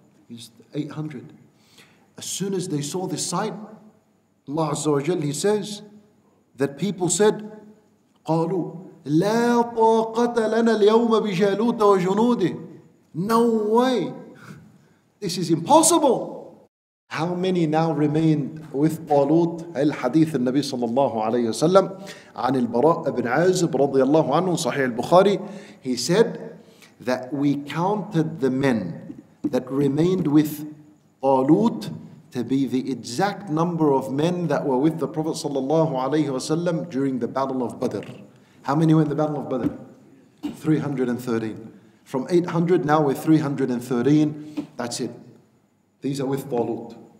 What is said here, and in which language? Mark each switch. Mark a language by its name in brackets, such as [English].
[English] He's 800. As soon as they saw this sight, Allah Azza wa Jal, he says, that people said, [Arabic] قَالُوا لَا طَاقَةَ لَنَا الْيَوْمَ بِجَالُوتَ وَجُنُودِهِ. [English] No way. This is impossible. How many now remained with Talut? [Arabic] Al-Hadith al-Nabi sallallahu alayhi wa sallam عن البراء بن عازب رضي الله عنه صحيح البخاري. [English] He said that we counted the men that remained with Talut to be the exact number of men that were with the Prophet sallallahu alayhi wa sallam during the Battle of Badr. How many were in the Battle of Badr? 313. From 800, now we're 313. That's it. These are with Talut.